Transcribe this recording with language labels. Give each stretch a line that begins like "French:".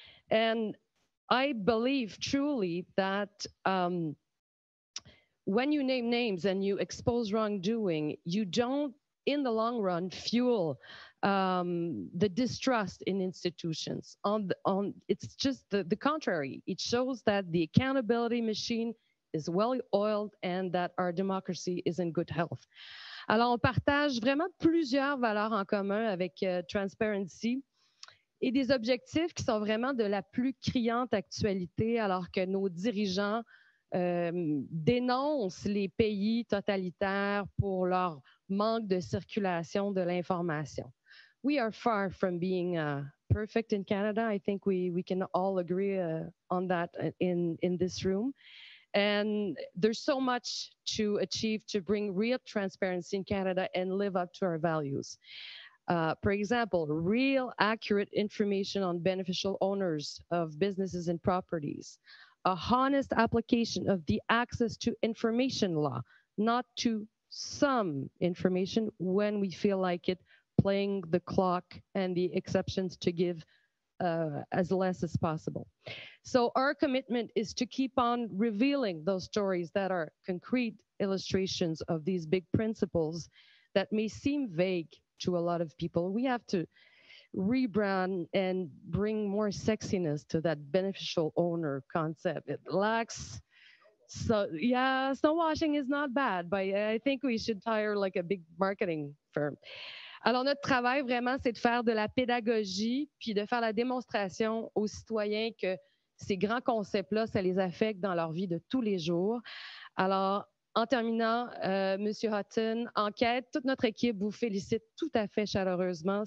English: And I believe truly that when you name names and you expose wrongdoing, you don't, in the long run, fuel the distrust in institutions. It's just the contrary. It shows that the accountability machine is well-oiled and that our democracy is in good health.
French: Alors, on partage vraiment plusieurs valeurs en commun avec Transparency et des objectifs qui sont vraiment de la plus criante actualité, alors que nos dirigeants dénoncent les pays totalitaires pour leur manque de circulation de l'information.
English: We are far from being perfect in Canada. I think we can all agree on that in this room. And there's so much to achieve to bring real transparency in Canada and live up to our values. For example, real accurate information on beneficial owners of businesses and properties, a honest application of the access to information law, not to some information when we feel like it, playing the clock and the exceptions to give as less as possible. So our commitment is to keep on revealing those stories that are concrete illustrations of these big principles that may seem vague to a lot of people. We have to rebrand and bring more sexiness to that beneficial owner concept. It lacks, so yeah, snow washing is not bad, but I think we should hire like a big marketing firm.
French: Alors, notre travail, vraiment, c'est de faire de la pédagogie puis de faire la démonstration aux citoyens que ces grands concepts-là, ça les affecte dans leur vie de tous les jours. Alors, en terminant, M. Hutton, Enquête, toute notre équipe vous félicite tout à fait chaleureusement.